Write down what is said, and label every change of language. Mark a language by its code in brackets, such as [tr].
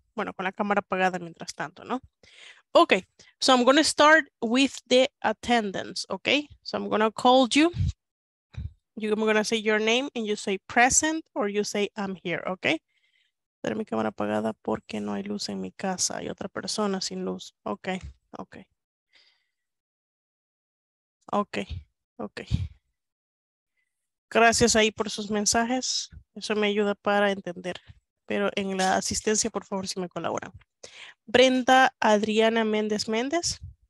[es] Bueno, con la cámara apagada mientras tanto, ¿no? [en] Okay, so I'm going to start with the attendance, okay? So I'm going to call you. I'm going to say your name and you say present or you say I'm here, okay? [es] Tengo mi cámara apagada porque no hay luz en mi casa. Hay otra persona sin luz. Okay, okay. Okay, okay. Gracias ahí por sus mensajes. Eso me ayuda para entender. Pero en la asistencia, por favor, si me colaboran. Brenda Adriana Méndez Méndez.